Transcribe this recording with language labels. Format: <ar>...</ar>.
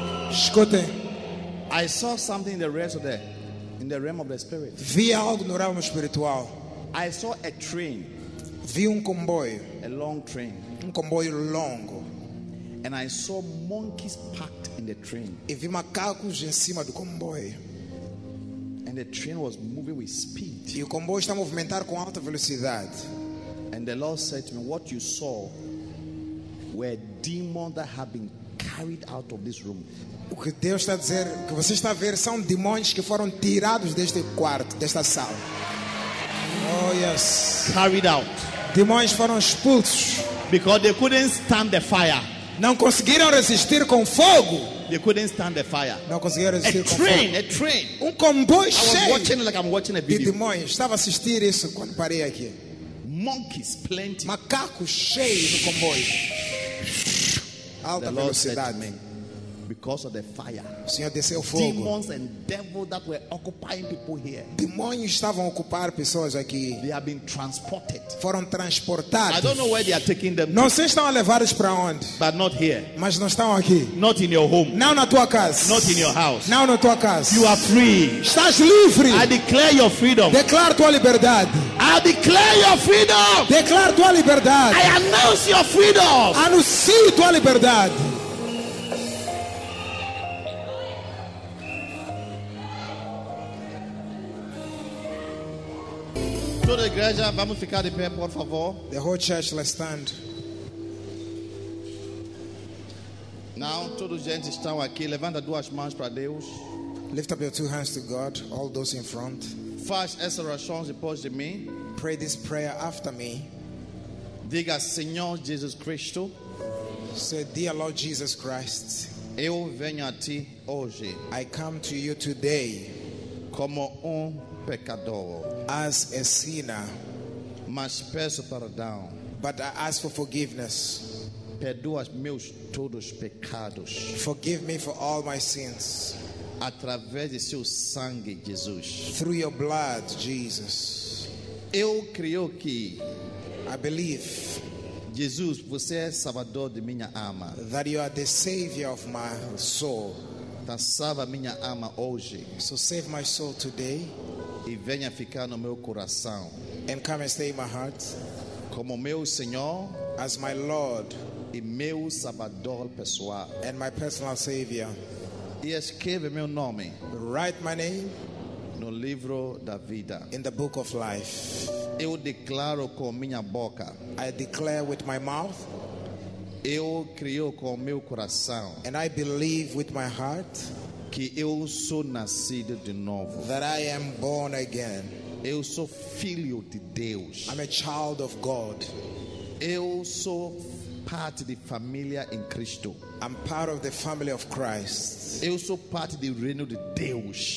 <pt>escute.</pt> <en>I saw something in the realm of the spirit.</en> <pt>Vi algo no ramo espiritual.</pt> <en>I saw a train.</en> <pt>Vi comboio.</pt> <en>A long train.</en> <pt>Comboio longo.</pt> <en>And I saw monkeys packed in the train.</en> <pt>E vi macacos em cima do comboio.</pt> <en>And the train was moving with speed.</en> <pt>E o comboio está a movimentar com alta velocidade.</pt> <en>And the Lord said to me, what you saw were demons that have been carried out of this room.</en> <pt>O que Deus está a dizer, o que você está a ver, são demônios que foram tirados deste quarto, desta sala.</pt> <en>Oh, yes. Carried out.</en> <pt>Demônios foram expulsos.</pt> <en>Because they couldn't stand the fire.</en> <pt>Não conseguiram resistir com fogo.</pt> <en>They couldn't stand the fire.</en> <pt>Não conseguiram resistir</pt> <en>com train, fogo. A train.</en> <pt>Um comboio cheio.</pt> <en>I was watching like I'm watching a video.</en> <pt>De demônios. Estava a assistir isso quando parei aqui.</pt> <en>Monkeys plenty.</en> <pt>Macacos cheios no comboio. Alta velocidade, man.</pt> <en>Because of the fire.</en> <pt>O Senhor desceu fogo.</pt> <en>Demons and devils that were occupying people here.</en> <pt>Demônios estavam a ocupar pessoas aqui.</pt> <en>They have been transported.</en> <pt>Foram transportados.</pt> <en>I don't know where they are taking them.</en> <pt>Não sei se estão a levar-os para onde.</pt> <en>But not here.</en> <pt>Mas não estão aqui.</pt> <en>Not in your home.</en> <pt>Não na tua casa.</pt> <en>Not in your house.</en> <pt>Não na tua casa.</pt> <en>You are free.</en> <pt>Estás livre.</pt> <en>I declare your freedom.</en> <pt>Declaro tua liberdade.</pt> <en>I declare your freedom.</en> <pt>Declaro tua liberdade.</pt> <en>I announce your freedom.</en> <pt>Anuncio tua liberdade. Toda a igreja, vamos ficar de pé, por favor.</pt> <en>The whole church, let's stand.</en> <pt>Now, toda a gente está aqui. Levanta duas mãos para Deus.</pt> <en>Lift up your two hands to God, all those in front.</en> <pt>Faz essa oração depois de mim.</pt> <en>Pray this prayer after me.</en> <pt>Diga, Senhor Jesus Cristo.</pt> <en>Say, dear Lord Jesus Christ.</en> <pt>Eu venho a ti hoje.</pt> <en>I come to you today.</en> <pt>Como pecador.</pt> <en>As a sinner.</en> <pt>Mas peço perdão.</pt> <en>But I ask for forgiveness.</en> <pt>Perdoa meus todos pecados.</pt> <en>Forgive me for all my sins.</en> <pt>Através de seu sangue, Jesus.</pt> <en>Through your blood, Jesus.</en> <pt>Eu creio que.</pt> <en>I believe.</en> <pt>Jesus, você é salvador de minha alma.</pt> <en>That you are the savior of my soul.</en> <pt>Então, salva minha alma hoje.</pt> <en>So save my soul today.</en> <pt>E venha ficar no meu coração.</pt> <en>And come and stay in my heart.</en> <pt>Como meu Senhor.</pt> <en>As my Lord.</en> <pt>E meu Salvador pessoal.</pt> <en>And my personal Savior.</en> <pt>E escreve meu nome.</pt> <en>Write my name.</en> <pt>No livro da vida.</pt> <en>In the book of life.</en> <pt>Eu declaro com minha boca.</pt> <en>I declare with my mouth.</en> <pt>Eu creio com meu coração.</pt> <en>And I believe with my heart.</en> <pt>Que eu sou nascido de novo.</pt> <en>That I am born again.</en> <pt>Eu sou filho de Deus.</pt> <en>I'm a child of God.</en> <pt>Eu sou parte de família em Cristo.</pt> <en>I'm part of the family of Christ.</en> <pt>Eu sou parte do reino de Deus.</pt>